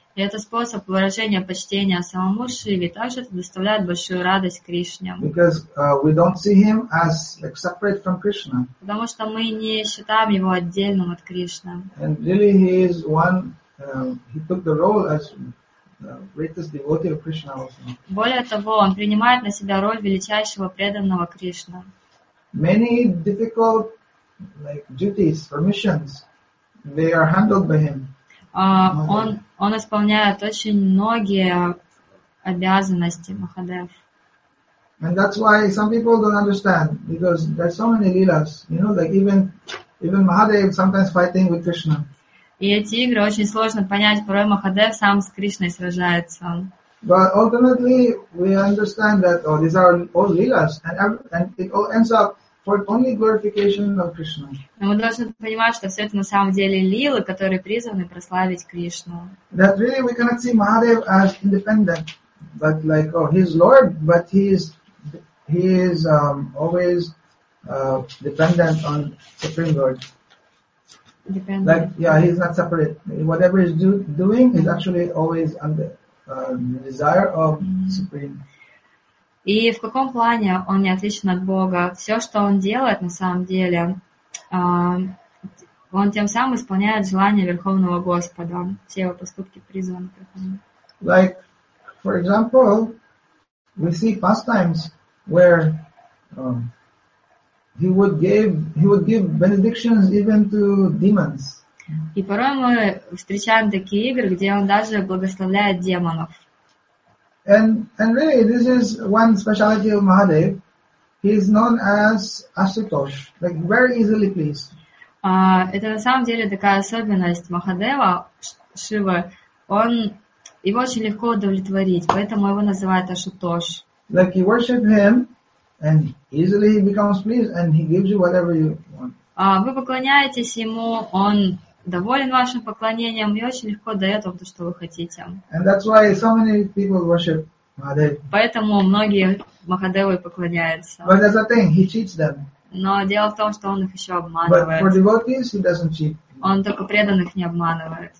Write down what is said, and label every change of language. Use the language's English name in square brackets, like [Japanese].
[Russian] И это способ выражения почтения самому Шиве. Также это доставляет большую радость Кришне. [English] Because we don't see him as like separate from Krishna. [Russian] Потому что мы не считаем его отдельным от Кришны. [English] And really he is one, he took the role as the greatest devotee of Krishna also. [Russian] Более того, он принимает на себя роль величайшего преданного Кришны. [English] Many difficult like duties, permissions, they are handled by him. [Russian] Он исполняет очень многие обязанности Махадев. [English] And that's why some people don't understand, because there's so many lilas, you know, like even Mahadev sometimes fighting with Krishna. [Russian] И эти игры очень сложно понять, порой Махадев сам с Кришной сражается. [English] But ultimately we understand that these are all lilas, and it all ends up for only glorification of Krishna. [Russian] Но мы должны понимать, что все это на самом деле лилы, которые призваны прославить Кришну. [English] That really we cannot see Mahadev as independent, but like, oh, he's Lord, but he is always dependent on Supreme Lord. Dependent. Like, yeah, he's not separate. Whatever he's doing is actually always under the desire of Supreme. [Russian] И в каком плане он не отличен от Бога? Все, что он делает на самом деле, он тем самым исполняет желание Верховного Господа. Все его поступки призваны к этому. [English] Like, for example, we see pastimes where he would give benedictions even to demons. [Russian] И порой мы встречаем такие игры, где он даже благословляет демонов. [English] And really, this is one speciality of Mahadev. He is known as Ashutosh, like very easily pleased. [Russian] Это на самом деле такая особенность Махадева, Шива, он, его очень легко удовлетворить, поэтому его называют Ашутош. [English] Like you worship him, and easily he becomes pleased, and he gives you whatever you want. [Russian] Вы поклоняетесь ему, он доволен вашим поклонением и очень легко дает вам то, что вы хотите. [English] And that's why so many people worship Mahadev. [Russian] Поэтому многие Махадевы поклоняются. [English] But that's the thing, he cheats them. [Russian] Но дело в том, что он их еще обманывает. [English] But for devotees, he doesn't cheat. [Russian] Он только преданных не обманывает.